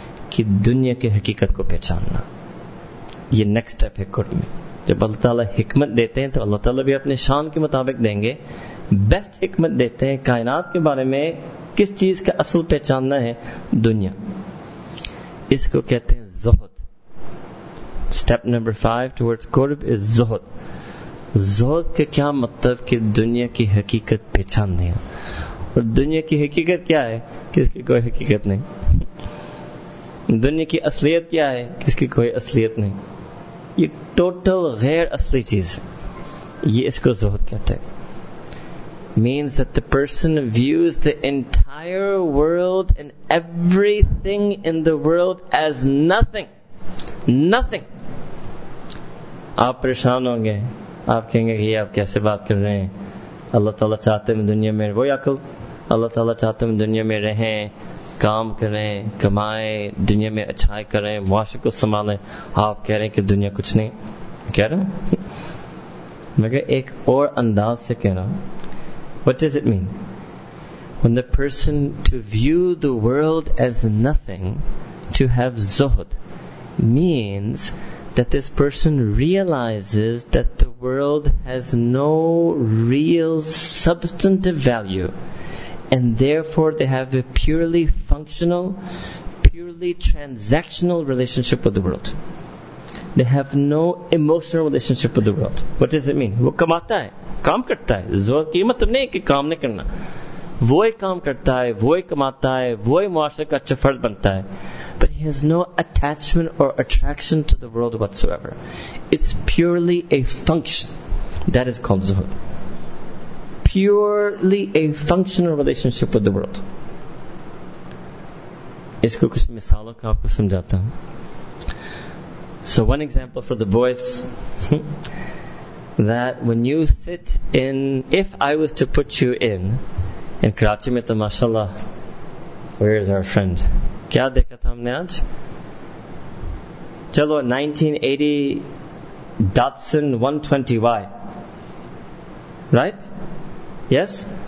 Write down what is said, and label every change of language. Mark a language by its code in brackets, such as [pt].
[ur] کی دنیا کی حقیقت کو پہچاننا. یہ نیکسٹ اسٹیپ ہے قرب میں. جب اللہ تعالیٰ حکمت دیتے ہیں تو اللہ تعالیٰ بھی اپنے شان کے مطابق دیں گے, بیسٹ حکمت دیتے ہیں کائنات کے بارے میں, کس چیز کا اصل پہچاننا ہے, دنیا. اس کو کہتے ہیں زہد. [en] Step number 5 towards قرب is زہد. [ur] زہد کے کیا مطلب کہ دنیا کی حقیقت پہچان دیا, اور دنیا کی حقیقت کیا ہے, کس کی کوئی حقیقت نہیں. دنیا کی اصلیت کیا ہے, کس کی کوئی اصلیت نہیں. یہ ٹوٹل غیر اصلی چیز ہے, یہ اس کو زہد کہتے ہیں. [en] Means that the person views the entire world and everything in the world as nothing. Nothing. [ur] آپ پریشان ہوں گے, آپ کہیں گے کہ یہ آپ کیسے بات کر رہے ہیں, اللہ تعالیٰ چاہتے ہیں دنیا میں وہی عقل, اللہ تعالیٰ چاہتے ہیں دنیا میں رہیں, کام کریں, کمائیں, دنیا میں اچھائی کریں, معاشرے کو سنبھالیں, آپ کہہ رہے ہیں کہ دنیا کچھ نہیں. کہہ رہا ہوں مگر ایک اور انداز سے کہہ رہا ہوں. [en] What does it mean? When the person to view the world as nothing, to have zuhud, means that this person realizes that the world has no real substantive value, and therefore they have a purely functional, purely transactional relationship with the world. They have no emotional relationship with the world. What does it mean? [ur] وہ کماتا ہے, کام کرتا ہے. زہد کی مطلب نہیں کہ کام نہیں کرنا, وہ ہی کام کرتا ہے, وہ ہی کماتا ہے, وہ ہی معاشرے کا اچھا فرد بنتا ہے. [en] But he has no attachment or attraction to the world whatsoever. It's purely a function. That is called زہد. Purely a functional relationship with the world. [ur] اس کو کچھ مثالوں کا آپ کو سمجھاتا ہوں. [en] So one example for the boys, that when you sit in, if I was to put you in [ur] Karachi mein to mashallah, [en] where is our friend? [ur] Kya dekha tha humne aaj? Chalo 1980 Datsun 120Y, [en] right? Yes?